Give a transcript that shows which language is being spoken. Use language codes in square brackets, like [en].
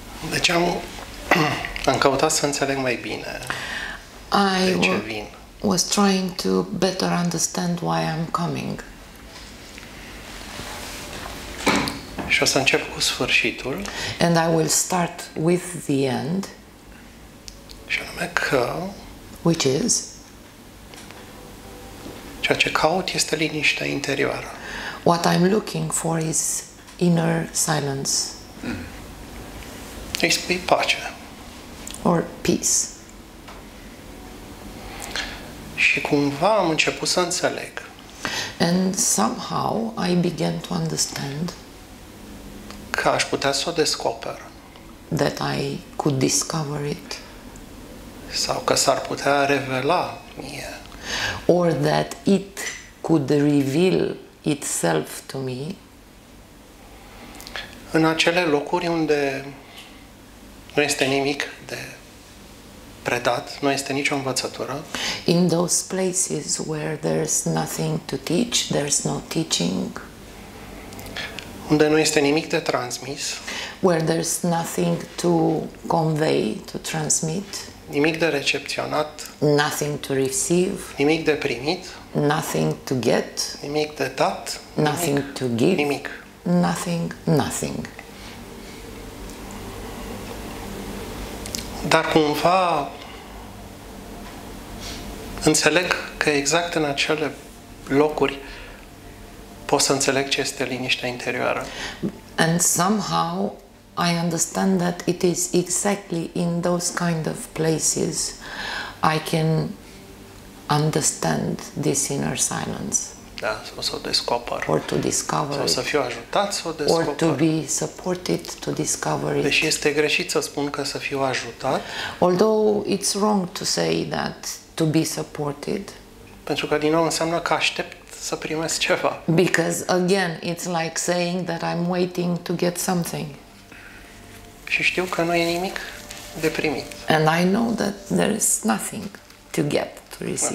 [ro] Deci am căutat să înțeleg mai bine. [en] I was trying to better understand why I'm coming. [ro] Și o să încep cu sfârșitul. [en] And I will start with the end. [ro] Și anume că, [en] which is, [ro] ceea ce caut este liniștea interioară. [en] What I'm looking for is inner silence. [ro] Este pace. [en] Or peace. [ro] Și cumva am început să înțeleg. [en] And somehow I began to understand [ro] că aș putea să o descoper. [en] That I could discover it. [ro] Sau că s-ar putea revela mie. [en] Or that it could reveal itself to me. [ro] În acele locuri unde nu este nimic de predat, nu este nicio învățătură. [en] In those places where there's nothing to teach, there's no teaching. [ro] Unde nu este nimic de transmis. [en] Where there's nothing to convey, to transmit. [ro] Nimic de recepționat. [en] Nothing to receive. [ro] Nimic de primit. [en] Nothing to get. [ro] Nimic de dat. [en] Nothing [ro] nimic, [en] to give. [ro] Nimic. [en] Nothing. [ro] Dar cumva înțeleg că exact în acele locuri pot să înțeleg ce este liniștea interioară. [en] And somehow I understand that it is exactly in those kind of places I can understand this inner silence. [ro] Da, sau să o descoper. [en] Or to discover [ro] sau [en] it. [ro] Sau să fiu ajutat să o descoper. [en] Or to be supported to discover it. [ro] Deși este greșit să spun că să fiu ajutat. [en] Although it's wrong to say that to be supported. [ro] Pentru că din nou înseamnă că aștept să primesc ceva. [en] Because again it's like saying that I'm waiting to get something. [ro] Și știu că nu e nimic de primit. [en] And I know that there is nothing to get, to receive.